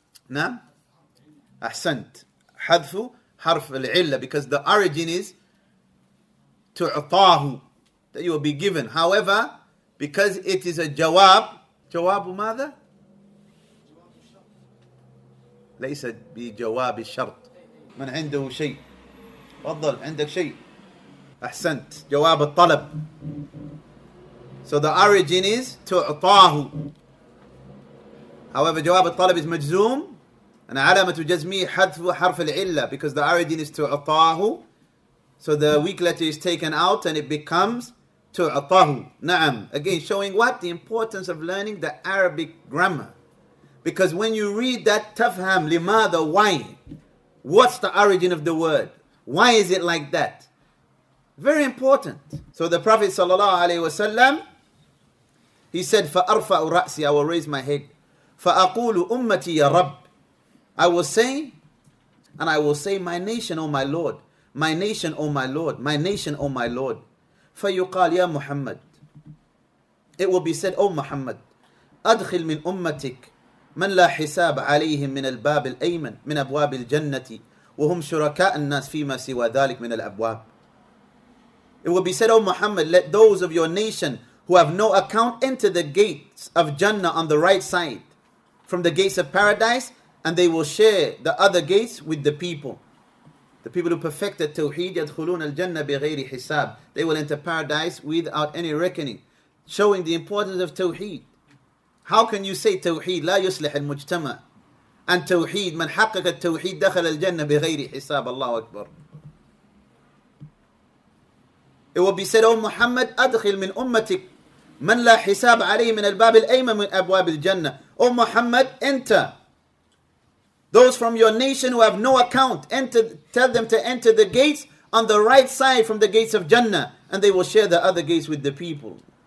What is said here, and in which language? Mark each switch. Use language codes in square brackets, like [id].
[ar] Naam? Ahsant. Hadfu harf al-illa, [en] because the origin is tu'tahu, that you will be given. However, because it is a jawab, [ar] جواب ماذا؟ ليس بجواب الشرط. من عنده شيء؟ تفضل عندك شيء. أحسنت. جواب الطلب. [en] So the origin is تعطاه. [ar] However, جواب الطلب is مجزوم. أنا علامة جزمي حذف حرف العلة [en] because the origin is [ar] تعطاه. [en] So the weak letter is taken out and it becomes تُعْطَهُ. نعم. Again, showing what? The importance of learning the Arabic grammar. Because when you read that, [ar] تَفْهَمْ لِمَاذَ, [en] why? What's the origin of the word? Why is it like that? Very important. So the Prophet ﷺ, he said, [ar] فَأَرْفَعُ رَأْسِي, [en] I will raise my head. [ar] فَأَقُولُ أُمَّتِي يَا رَبِّ, [en] I will say, and I will say, my nation, O my Lord, my nation, O my Lord, my nation, O my Lord. [ar] فَيُقَالْ يَا مُحَمَّدْ, [en] it will be said, O Muhammad, [ar] أَدْخِلْ مِنْ أُمَّتِكْ مَنْ لَا حِسَابَ عَلَيْهِمْ مِنَ الْبَابِ الْأَيْمَنِ مِنْ أَبْوَابِ الْجَنَّةِ وَهُمْ شُرَكَاءَ النَّاسِ فِي مَا سِوَى ذَلِكْ مِنَ الْأَبْوَابِ. [en] It will be said, O Muhammad, let those of your nation who have no account enter the gates of Jannah on the right side from the gates of paradise, and they will share the other gates with the people. The people who perfect the Tawheed, [ar] يَدْخُلُونَ الْجَنَّةِ بِغَيْرِ حِسَابٍ, [en] they will enter paradise without any reckoning. Showing the importance of Tawheed. How can you say Tawheed, [ar] لَا يُسْلِحِ الْمُجْتَمَى, [en] and Tawheed, [ar] مَنْ حَقَّقَ التَّوْحِيدِ دَخَلَ الْجَنَّةِ بِغَيْرِ حِسَابٍ, الله أكبر. [en] It will be said, O Muhammad, [ar] أَدْخِلْ مِنْ أُمَّتِكْ مَنْ لَا حِسَابَ عَلَيْهِ مِنَ الْبَابِ الْأَيْمَنِ مِنْ أَبْوَابِ الْجَنَّةِ. [en] O Muhammad, enter those from your nation who have no account, enter, tell them to enter the gates on the right side from the gates of Jannah, and they will share the other gates with the people.